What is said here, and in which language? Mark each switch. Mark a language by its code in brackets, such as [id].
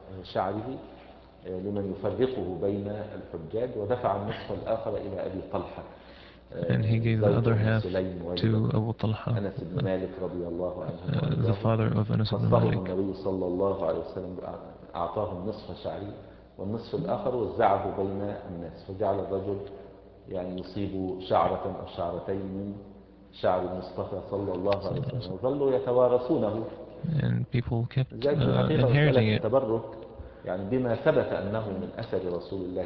[ar] شعره لمن يفرقه بين الحجاج ودفع النصف الآخر إلى أبي طلحة [en] and he gave the other half to Abu Talha [ar] أنس بن مالك رضي الله عنه [en] the father of Anas ibn Malik [ar] النبي صلى الله عليه وسلم أعطاه النصف شعري والنصف الآخر وزعه بين الناس فجعل الرجل يعني يصيب شعرة أو شعرتين من شعر المصطفى صلى الله عليه وسلم وظلوا يتوارثونه [en] and people kept inheriting it [ar] تبرك يعني بما ثبت أنه من أثر رسول الله